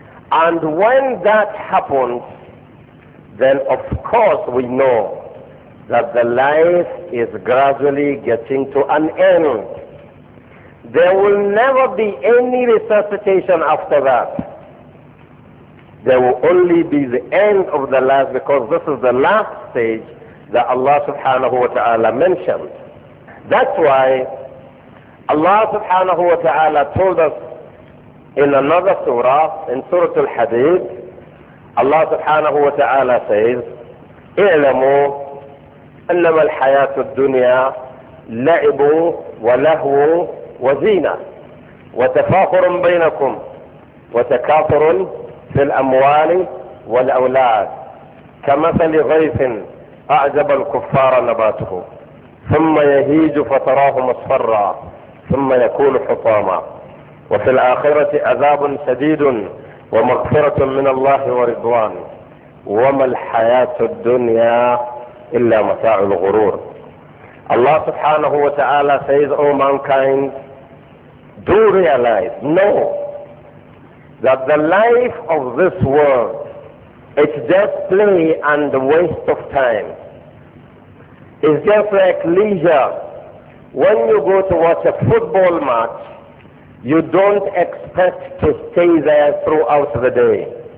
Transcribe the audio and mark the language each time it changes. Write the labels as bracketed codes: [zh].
[en] And when that happens, then of course we know that the life is gradually getting to an end. There will never be any resuscitation after that. There will only be the end of the life, because this is the last stage that Allah subhanahu wa ta'ala mentioned. That's why Allah subhanahu wa ta'ala told us in another surah, in Surah Al-Hadid, Allah subhanahu wa ta'ala says, [ar] اعلموا أنما الحياة الدنيا لعب ولهو وزينة وتفاخر بينكم وتكاثر في الأموال والأولاد كمثل غيث أعجب الكفار نباته ثم يهيج فتراه مصفرا ثم يكون حطاما وفي الآخرة عذاب شديد ومغفرة من الله ورضوان، وما الحياة الدنيا إلا متاع الغرور. [en] Allah subhanahu wa ta'ala says, O mankind, do realize, know that the life of this world, it's just play and waste of time. It's just like leisure. When you go to watch a football match, you don't expect to stay there throughout the day.